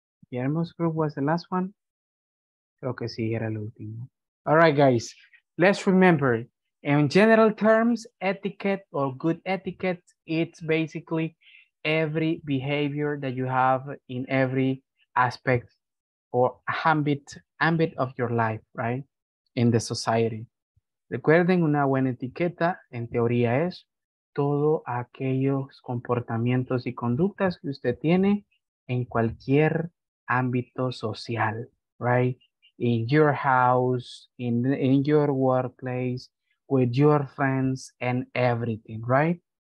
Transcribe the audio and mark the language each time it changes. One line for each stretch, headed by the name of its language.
English: Guillermo's group was the last one.
Spanish: Creo que sí, era el último.
English: All right, guys. Let's remember, in general terms, etiquette or good etiquette, it's basically every behavior that you have in every aspect or ambit of your life, right? In the society.
Spanish: Recuerden, una buena etiqueta en teoría es todo aquellos comportamientos y conductas que usted tiene en cualquier ámbito social,
English: right? In your house, in your workplace, with your friends and everything, right?